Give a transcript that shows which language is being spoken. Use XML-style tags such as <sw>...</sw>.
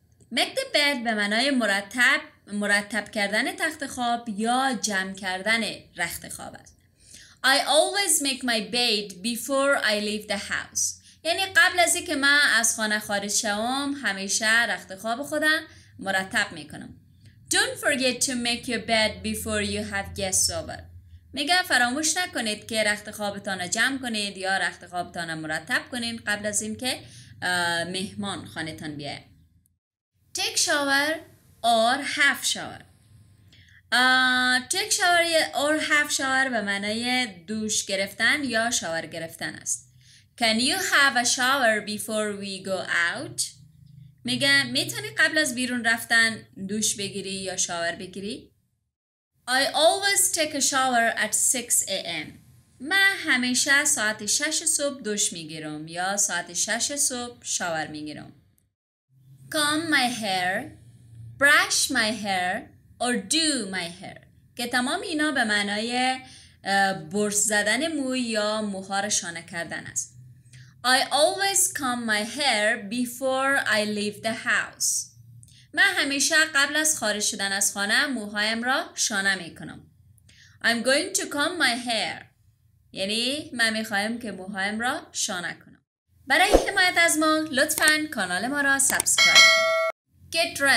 <fa>Make the bed به معنای مرتب کردن تخت خواب یا جمع کردن رخت خواب است.</fa> <en>I always make my bed before I leave the house.</en> <fa>یعنی قبل از اینکه من از خانه خارج شوم همیشه رخت خواب خودم مرتب میکنم.</fa> <en>Don't forget to make your bed before you have guests over.</en> <fa>میگه فراموش نکنید که رخت خوابتان را جمع کنید یا رخت خوابتان را مرتب کنید قبل از اینکه مهمان خانه تان بیاید.</fa> <en>Take shower or half shower.</en> <fa>Take shower or half shower به معنی دوش گرفتن یا شاور گرفتن است.</fa> <en>Can you have a shower before we go out?</en> <fa>میگم میتونی قبل از بیرون رفتن دوش بگیری یا شاور بگیری؟</fa> <en>I always take a shower at 6 a.m.</en> <fa>من همیشه ساعت 6 صبح دوش میگیرم یا ساعت 6 صبح شاور میگیرم.</fa> <en>Comb my hair, brush my hair or do my hair.</en> <fa>که تمام اینا به معنای برس زدن مو یا موها را شانه کردن است.</fa> <en>I always comb my hair before I leave the house.</en> <fa>من همیشه قبل از خارج شدن از خانه موهایم را شانه می کنم.</fa> <en>I'm going to comb my hair.</en> <fa>یعنی من می خواهم که موهایم را شانه کنم. برای حمایت از ما لطفاً کانال ما را سابسکرایب کنید.</fa>